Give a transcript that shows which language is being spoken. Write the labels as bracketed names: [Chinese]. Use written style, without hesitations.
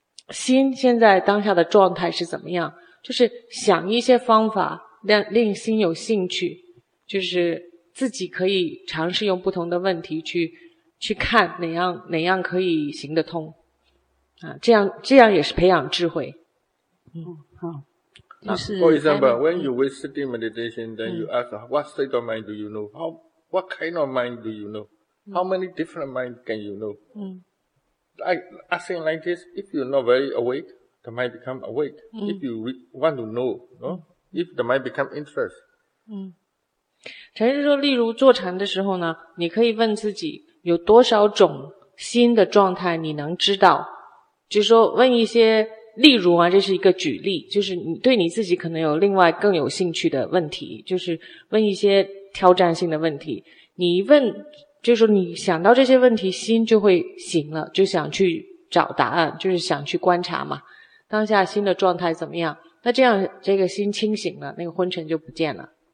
[Chinese] 心现在当下的状态是怎么样，就是想一些方法令心有兴趣，就是自己可以尝试用不同的问题去看哪样可以行得通啊，这样也是培养智慧。好，就是 [English] for example when you were sitting meditation then you ask what state of mind do you know, what kind of mind do you know, how many different mind can you know. Asking like this, if you're not very awake, the mind become awake. If you want to know, if the mind become interest. [Chinese] 禅师说，例如坐禅的时候呢，你可以问自己有多少种心的状态你能知道，就是说问一些，例如啊，这是一个举例，就是你对你自己可能有另外更有兴趣的问题，就是问一些挑战性的问题，你一问就是说你想到这些问题心就会醒了，就想去找答案，就是想去观察嘛，当下心的状态怎么样，那这样这个心清醒了，那个昏沉就不见了。